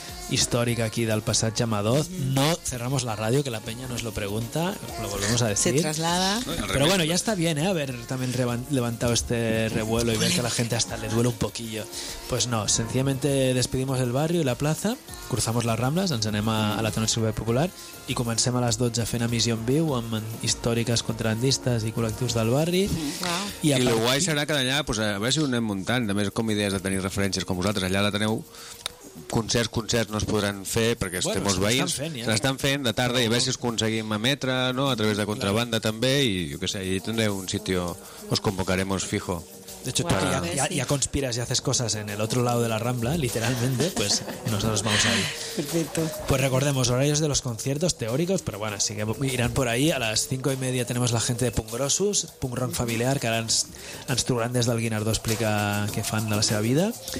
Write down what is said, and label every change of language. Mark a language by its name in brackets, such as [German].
[Spanish] histórica aquí del Passatge Madoz. No cerramos la radio, que la peña nos lo pregunta, lo volvemos a decir. Se traslada. Pero bueno, ya está bien, ¿eh? Haber también levantado este revuelo y ver que a la gente hasta le duele un poquillo. Pues no, sencillamente despedimos el barrio y la plaza, cruzamos las Ramblas, [Catalan] ens anem a la zona super popular i comencem a les 12 fent emissió en viu amb històriques contrabandistes i col·lectius del barri. I el guai serà que d'allà, pues, a veure si ho anem muntant, també com idees de tenir referències com vosaltres, allà la teniu... concerts no es podran fer perquè bueno, estem els veïns, l'estan fent de tarda i a veure si es aconseguim emetre, no?, a través de contrabanda. Clar. També i jo què sé, allà tindré un sitio, [Spanish] os convocaremos fijo. De hecho, bueno, tú ya conspiras y haces cosas en el otro lado de la Rambla, literalmente, pues nosotros vamos ahí. Perfecto. Pues recordemos, horarios de los conciertos teóricos, pero bueno, así que irán por ahí. A las 5:30 tenemos la gente de [Catalan] Pungrosos, Pungron Familiar, que ahora ens trobaran des del Guinardó, explica qué fan de la seva vida.